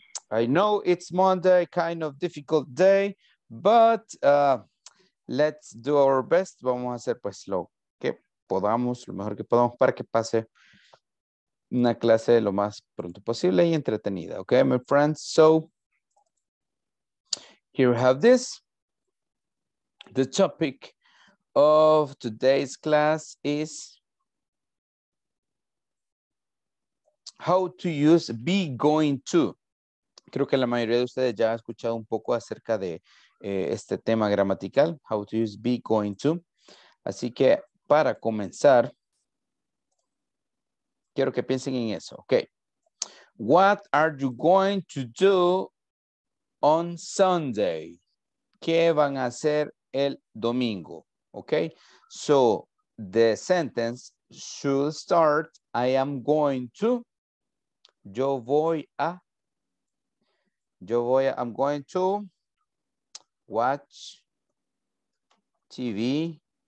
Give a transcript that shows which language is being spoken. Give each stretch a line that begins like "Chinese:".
English: I know it's Monday, kind of difficult day, but let's do our best.
Spanish: Vamos a hacer pues lo que podamos, lo mejor que podamos para que pase una clase lo más pronto posible y entretenida.
English: Okay, my friends. So here we have this. The topic of today's class is how to use be going to.
Spanish: Creo que la mayoría de ustedes ya ha escuchado un poco acerca de este tema gramatical, how to use be going to. Así que para comenzar, quiero que piensen en eso, ok.
English: What are you going to do on Sunday?
Spanish: ¿Qué van a hacer el domingo?
English: Ok, so the sentence should start, I am going to, I'm going to watch TV.